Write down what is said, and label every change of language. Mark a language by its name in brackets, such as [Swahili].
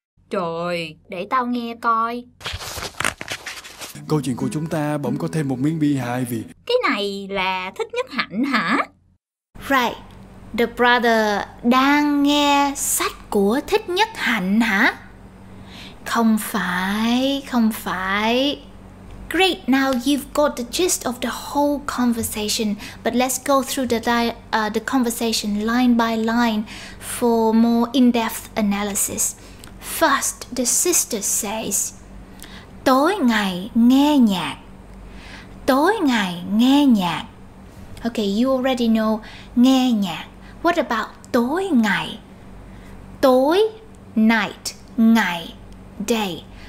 [Vietnamese] Trời, để tao nghe coi. Câu chuyện của chúng ta bỗng có thêm một miếng bi hài vì... Cái này là thích nhất hạnh hả? [English] Right, the brother [Vietnamese] đang nghe sách của thích nhất hạnh hả? Không phải, không phải. [English] Great, now you've got the gist of the whole conversation, but let's go through the conversation line by line for more in-depth analysis. First, the sister says, [Vietnamese] tối ngày nghe nhạc. Tối ngày nghe nhạc. [English] Okay, you already know [Vietnamese] nghe nhạc. [English] What about tối ngày? Tối, night, ngày, day.